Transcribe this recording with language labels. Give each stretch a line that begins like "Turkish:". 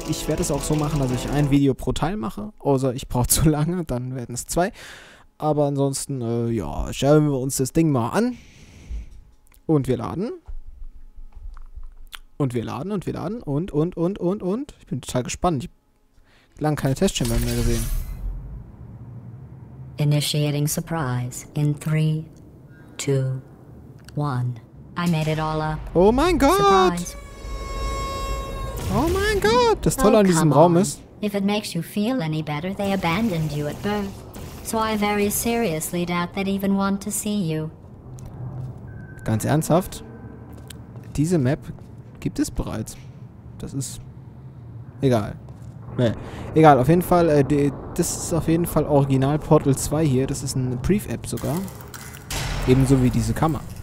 German: Ich werde es auch so machen, dass ich ein Video pro Teil mache, außer ich brauche zu lange, dann werden es zwei. Aber ansonsten, schauen wir uns das Ding mal an. Und wir laden. Und wir laden und wir laden und. Ich bin total gespannt. Ich habe lange keine Testchamber mehr gesehen.
English: Initiating surprise in 3, 2, 1. I made it all up.
German: Oh mein Gott! Oh mein Gott! Das Tolle an diesem Raum ist.
English: If it makes you feel any better, they abandoned you at birth. So I very seriously doubt they'd even want to see you.
German: Ganz ernsthaft? Diese Map gibt es bereits. Das ist. Egal. Nee. Egal, auf jeden Fall, das ist auf jeden Fall Original Portal 2 hier. Das ist eine Brief-App sogar. Ebenso wie diese Kammer.